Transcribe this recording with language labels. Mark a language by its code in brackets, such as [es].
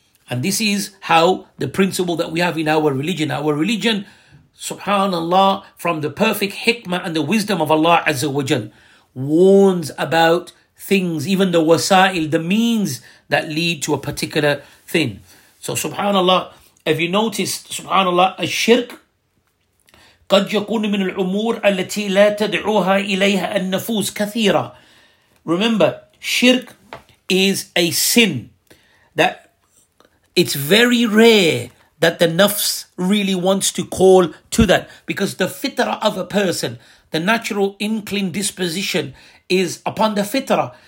[en] And this is how the principle that we have in our religion. Our religion, subhanAllah, from the perfect hikmah and the wisdom of Allah Azza wa Jal, warns about things, even the wasail, the means that lead to a particular thing. So subhanAllah, if you notice, subhanAllah, a shirk, [ar] قَدْ يَكُونُ مِنَ الْعُمُورِ الَّتِي لَا تَدْعُوهَا إِلَيْهَا النَّفُوسِ كَثِيرًا. [en] Remember, shirk is a sin that it's very rare that the nafs really wants to call to that, because the fitrah of a person, the natural inclined disposition is upon the fitrah.